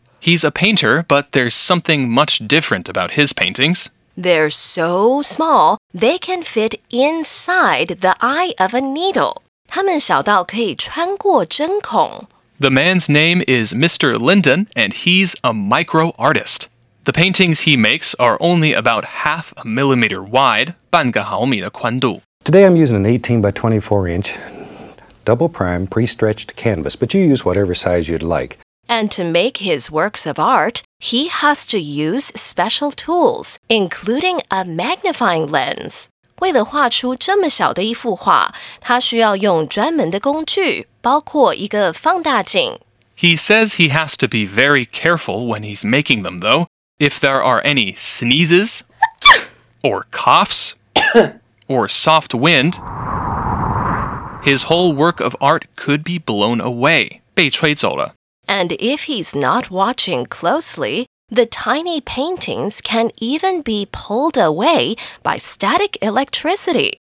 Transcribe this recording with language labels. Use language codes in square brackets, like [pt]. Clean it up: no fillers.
[en] He's a painter, but there's something much different about his paintings. They're so small, they can fit inside the eye of a needle. [zh] 他们小到可以穿过针孔。 [en] The man's name is Mr. Lindon, and he's a micro artist. The paintings he makes are only about half a millimeter wide, [zh] 半个毫米的宽度。 [en] Today I'm using an 18 by 24 inch, double prime, pre-stretched canvas, but you use whatever size you'd like. And to make his works of art, he has to use special tools, including a magnifying lens. [zh] 为了画出这么小的一幅画，他需要用专门的工具，包括一个放大镜。 [en] He says he has to be very careful when he's making them, though. If there are any sneezes, or coughs, or soft wind, his whole work of art could be blown away. [zh] 被吹走了。 [en] And if he's not watching closely, the tiny paintings can even be pulled away by static electricity.